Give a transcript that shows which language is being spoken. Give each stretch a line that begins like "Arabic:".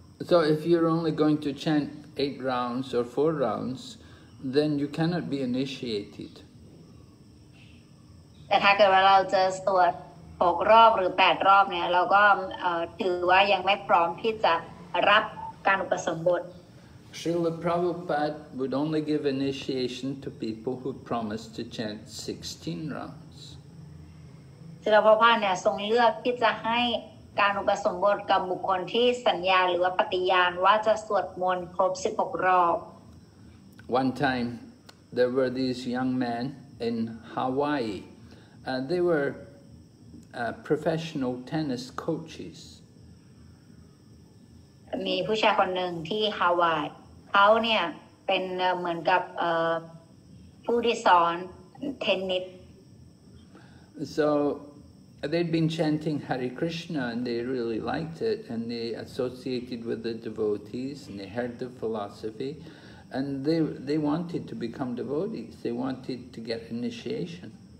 English: So if you're only going to chant 8 rounds or 4 rounds, then you cannot be initiated.
Thai: แต่ถ้าเกิดว่าเราจะสวด6รอบหรือ8รอบเนี่ยเราก็ถือว่ายังไม่พร้อมที่จะรับการอุปสมบท
English: Srila Prabhupada would only give initiation to people who promised to chant 16 rounds.
Thai: ศรีพระพานเนี่ยทรงเลือกที่จะให้การอุปสมบทกับบุคคลที่สัญญาหรือว่าปฏิญาณว่าจะสวดมนต์ครบ16รอบ
English: One time there were these young men in Hawaii they were professional tennis coaches
Thai: มีผู้ชายคนหนึ่งที่ฮาวายเขาเนี่ยเป็นเหมือนกับผู้ที่สอนเทนนิส
English: SoThey'd been chanting Hare Krishna and they really liked it and they associated with the devotees and they heard the philosophy and they wanted to become devotees. They wanted to get initiation.